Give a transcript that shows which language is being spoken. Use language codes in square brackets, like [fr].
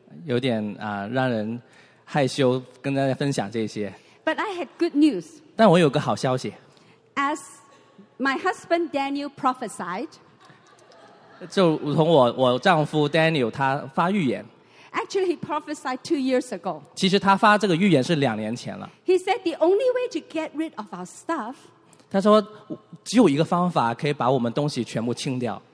[zh] 有点让人害羞跟大家分享这些。But [en] I had good news. [zh] 但我有个好消息。As [en] my husband Daniel prophesied. [zh] 就如同我丈夫Daniel他发预言。 [en] Actually, he prophesied 2 years ago. [zh] 其实他发这个预言是2年前了。 [en] He said the only way to get rid of our stuff. [zh] 他说只有一个方法可以把我们东西全部清掉。